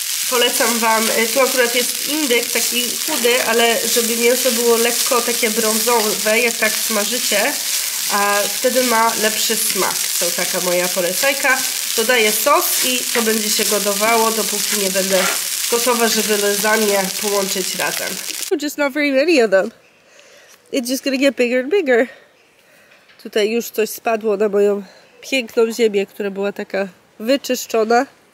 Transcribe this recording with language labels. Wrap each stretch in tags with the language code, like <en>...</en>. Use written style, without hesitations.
<pl>Polecam wam, tu akurat jest indyk, taki chudy, ale żeby mięso było lekko takie brązowe, jak tak smażycie, a wtedy ma lepszy smak. To taka moja polecajka. Dodaję sos i to będzie się gotowało, dopóki nie będę gotowa, żeby lasagne połączyć razem.</pl> <en>Just not very many of them. It's just gonna get bigger and bigger.</en> <pl>Tutaj już coś spadło na moją piękną ziemię, która była taka wyczyszczona.</pl>